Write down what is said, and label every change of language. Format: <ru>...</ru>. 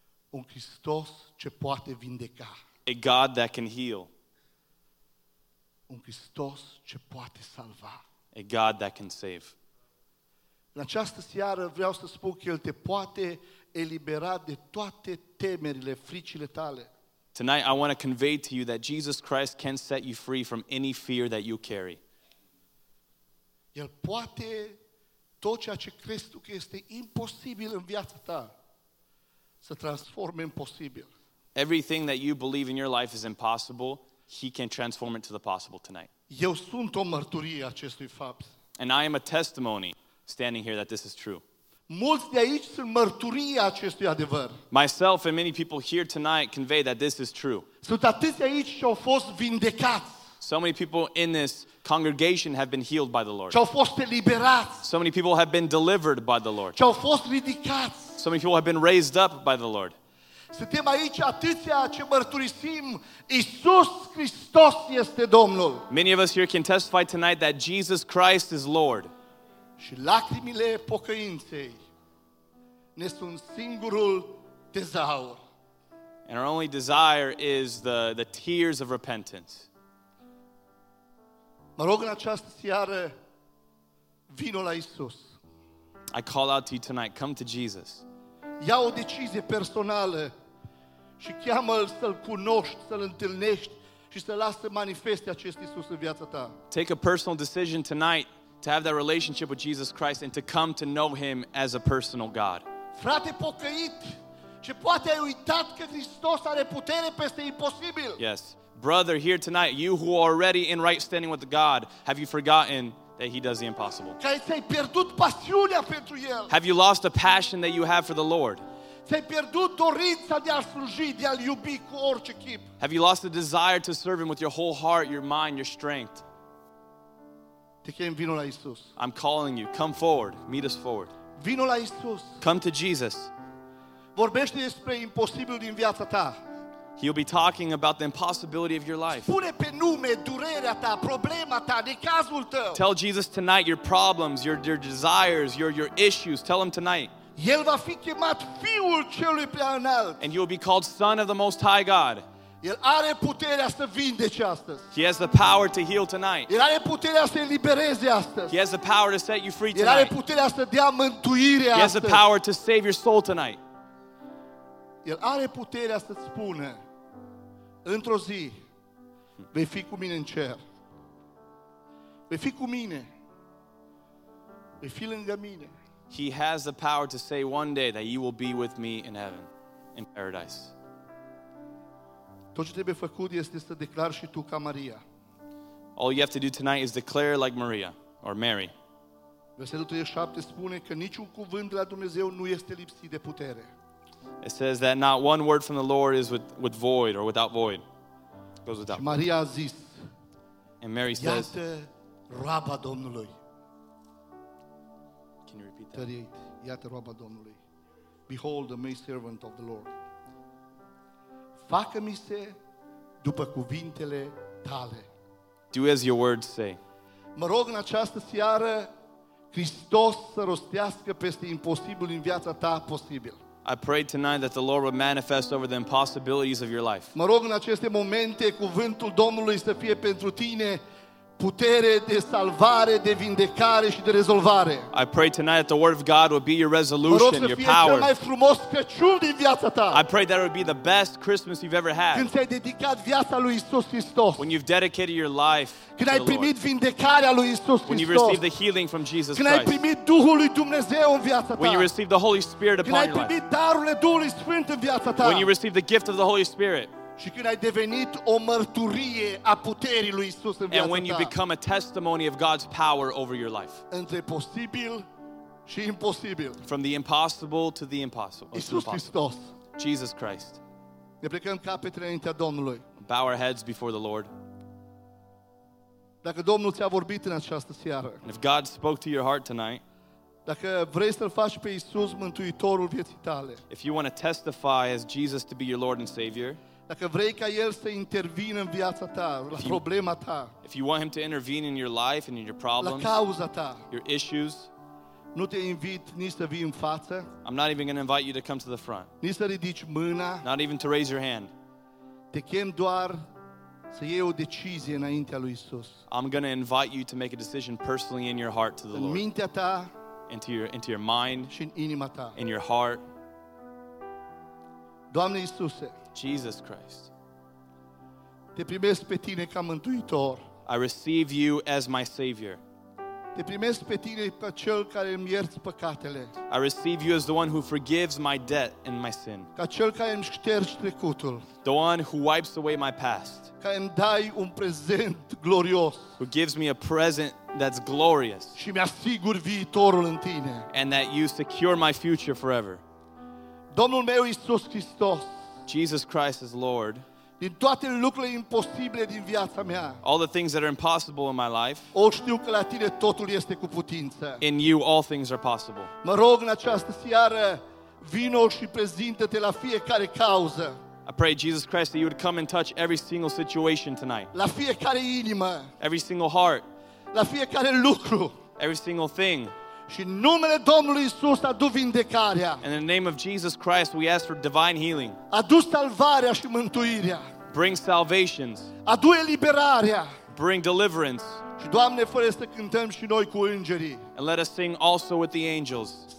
<ro>Un Hristos ce poate vindeca.</ro> <en>A God that can heal.</en> <ro>Un Hristos ce poate salva.</ro> <en>A God that can save.</en> <ro>În această seară vreau să spun că El te poate elibera de toate temerile, fricile tale.</ro> <en>Tonight I want to convey to you that Jesus Christ can set you free from any fear that you carry.</en> <ro>El poate tot ceea ce crezi tu că este imposibil în viața ta să transforme în posibil.</ro> <en>Everything that you believe in your life is impossible, He can transform it to the possible tonight.</en> <ro>Eu sunt o mărturie acestui fapt.</ro> <en>And I am a testimony standing here that this is true.</en> <ro>Mulți de aici sunt mărturie acestui adevăr.</ro> <en>Myself and many people here tonight convey that this is true.</en> <ro>Sunt atâți aici și au fost vindecați.</ro> <en>So many people in this congregation have been healed by the Lord.</en> <ro>Și au fost eliberați.</ro> <en>So many people have been delivered by the Lord.</en> <ro>Și au fost ridicați.</ro> <en>So many people have been raised up by the Lord.</en> <ro>Suntem aici atâția ce mărturisim Iisus Hristos este Domnul.</ro> <en>Many of us here can testify tonight that Jesus Christ is Lord.</en> <ro>Și lacrimile pocăinței ne sunt singurul dezaur.</ro> <en>And our only desire is the tears of repentance.</en> <ro>Mă rog în această seară, vino la Iisus.</ro> <en>I call out to you tonight, come to Jesus.</en> <ro>Ia o decizie personală și cheamă-L să-L cunoști, să-L întâlnești și să-L lasă să manifeste acest Iisus în viața ta.</ro> <en>Take a personal decision tonight to have that relationship with Jesus Christ and to come to know Him as a personal God.</en> <ro>Frate pocăit, ce poate ai uitat că Hristos are putere peste imposibil?</ro> <en>Yes. Brother, here tonight, you who are already in right standing with God, have you forgotten that He does the impossible?</en> <ro>Că ți-ai pierdut pasiunea pentru El?</ro> <en>Have you lost the passion that you have for the Lord?</en> <ro>Ți-ai pierdut dorința de a sluji, de a-L iubi cu orice chip?</ro> <en>Have you lost the desire to serve Him with your whole heart, your mind, your strength?</en> <ro>Te chem, vino la Iisus.</ro> <en>I'm calling you. Come forward. Meet us forward.</en> <ro>Vino la Iisus.</ro> <en>Come to Jesus.</en> <ro>Vorbește despre imposibil din viața ta.</ro> <en>He'll be talking about the impossibility of your life.</en> <ro>Spune pe nume durerea ta, problema ta, necazul tău.</ro> <en>Tell Jesus tonight your problems, your desires, your issues. Tell Him tonight.</en> <ro>El va fi chemat Fiul Celui Prea Înalt.</ro> <en>And you'll be called Son of the Most High God.</en> <ro>El are puterea să vindece astăzi.</ro> <en>He has the power to heal tonight.</en> <ro>El are puterea să elibereze astăzi.</ro> <en>He has the power to set you free</en> <ro>El</ro> <en>tonight.</en> <ro>El are puterea să dea mântuire astăzi.</ro> <en>He has the power to save your soul tonight.</en> <ro>El are puterea să-ți spună, într-o zi, vei fi cu mine în cer. Vei fi cu mine. Vei fi lângă mine.</ro> <en>He has the power to say one day that you will be with me in heaven, in paradise.</en> <ro>Tot ce trebuie făcut este să declari și tu ca Maria.</ro> <en>All you have to do tonight is declare like Maria, or Mary.</en> <ro>Versetul 37 spune că niciun cuvânt de la Dumnezeu nu este lipsit de putere.</ro> <en>It says that not one word from the Lord is with void or without void. It goes without.</en> <ro>Maria a zis,</ro> <en>and Mary says,</en> <ro>iată roaba Domnului.</ro> <en>Can you repeat that? 38.</en> <ro>Iată roaba Domnului.</ro> <en>Behold, the maidservant of the Lord.</en> <ro>Facă-mi-se după cuvintele tale.</ro> <en>Do as your words say.</en> <ro>Mă rog în această seară, Hristos să rostească peste imposibil în viața ta posibil.</ro> <en>I pray tonight that the Lord will manifest over the impossibilities of your life.</en> <ro>Mă rog în aceste momente cuvântul Domnului să fie pentru tine putere de salvare, de vindecare și de rezolvare.</ro> <en>I pray tonight that the word of God will be your resolution,</en> <ro>mă rog să fie</ro> <en>power.</en> <ro>Cel mai frumos Crăciun din viața ta.</ro> <en>I pray that it will be the best Christmas you've ever had.</en> <ro>Când ți-ai dedicat viața lui Iisus Hristos.</ro> <en>When you've dedicated your life to the Lord.</en> <ro>Când ai primit vindecarea lui Iisus Hristos.</ro> <en>When you received the healing from Jesus Christ.</en> <ro>Când ai primit Duhul lui Dumnezeu în viața ta.</ro> <en>When you received the Holy Spirit upon your life.</en> <ro>Când ai primit darurile Duhului Sfânt în viața ta.</ro> <en>When you received the gift of the Holy Spirit.</en> <ro>Și când ai devenit o mărturie a puterii lui Iisus în viața ta.</ro> <en>And when you become a testimony of God's power over your life.</en> <ro>Între posibil și imposibil.</ro> <en>From the impossible to the impossible.</en> <ro>Iisus Hristos.</ro> <en>Jesus Christ.</en> <ro>Ne plecăm capetele înaintea Domnului.</ro> <en>Bow our heads before the Lord.</en> <ro>Dacă Domnul ți-a vorbit în această seară.</ro> <en>And if God spoke to your heart tonight.</en> <ro>Dacă vrei să-L faci pe Iisus Mântuitorul vieții tale.</ro> <en>If you want to testify as Jesus to be your Lord and Savior.</en> <ro>Dacă vrei ca El să intervină în viața ta, la problema ta.</ro> <en>If you want Him to intervene in your life and in your problems.</en> <ro>La cauza ta.</ro> <en>Your issues.</en> <ro>Nu te invit nici să vii în față.</ro> <en>I'm not even going to invite you to come to the front.</en> <ro>Nici să ridici mâna.</ro> <en>Not even to raise your hand.</en> <ro>Te chem doar să iei o decizie înaintea lui Iisus.</ro> <en>I'm going to invite you to make a decision personally in your heart to the Lord.</en> <ro>În mintea ta.</ro> <en>into your mind,</en> <ro>și în inima ta,</ro> <en>in your heart.</en> <ro>Doamne Iisuse,</ro> <en>Jesus Christ,</en> <ro>te primesc pe tine ca mântuitor.</ro> <en>I receive you as my Savior.</en> <ro>Te primesc pe tine ca cel care îmi ierți păcatele.</ro> <en>I receive you as the one who forgives my debt and my sin.</en> <ro>Ca cel care îmi șterge trecutul.</ro> <en>The one who wipes away my past.</en> <ro>Ca îmi dai un prezent glorios.</ro> <en>Who gives me a present that's glorious.</en> <ro>Și mi asigur viitorul în tine.</ro> <en>And that you secure my future forever.</en> <ro>Domnul meu Iisus Hristos.</ro> <en>Jesus Christ is Lord.</en> <ro>Din toate lucrurile imposibile din viața mea.</ro> <en>All the things that are impossible in my life.</en> <ro>O știu că la tine totul este cu putință.</ro> <en>In you all things are possible.</en> <ro>Mă rog în această seară, vino și prezintă-te la fiecare cauză.</ro> <en>I pray, Jesus Christ, that you would come and touch every single situation tonight.</en> <ro>La fiecare inimă.</ro> <en>Every single heart.</en> <ro>La fiecare lucru.</ro> <en>Every single thing.</en> <ro>Și în numele Domnului Isus adu vindecarea.</ro> <en>In the name of Jesus Christ, we ask for divine healing.</en> <ro>Adu salvarea și mântuirea.</ro> <en>Bring salvations.</en> <ro>Adu eliberarea.</ro> <en>Bring deliverance.</en> <ro>Și Doamne, fă să cântăm și noi cu îngerii.</ro> <en>And let us sing also with the angels.</en>